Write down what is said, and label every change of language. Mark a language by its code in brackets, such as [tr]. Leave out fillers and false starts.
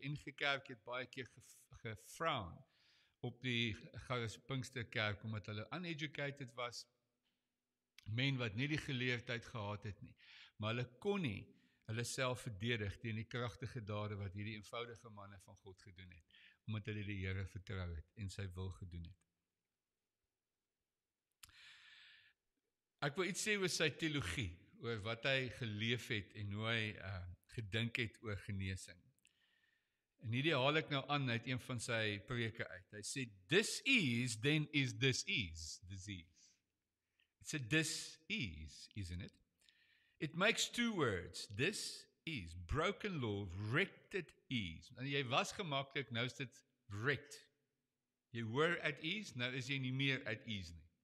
[af] NG Kerk het baie keer gefrown op die Pinksterkerk, omdat hulle uneducated was, men wat nie die geleerdheid gehad het nie, maar hulle kon nie hulle self verdedig teen die kragtige dade wat hierdie eenvoudige manne van God gedoen het, omdat hulle die Here vertrou het en sy wil gedoen het. Ek wil iets sê oor sy teologie, oor wat hy geleef het en hoe hy gedink het oor genesing. En hierdie haal ek nou aan uit een van sy preke uit. Hy sê, [en] this is, then is this is disease. It's a this is, isn't it? It makes two words, this is, broken law, wrecked ease. [af] En jy was gemaklik, nou is dit wrecked. [en] You were at ease, [af] nou is jy nie meer at ease nie.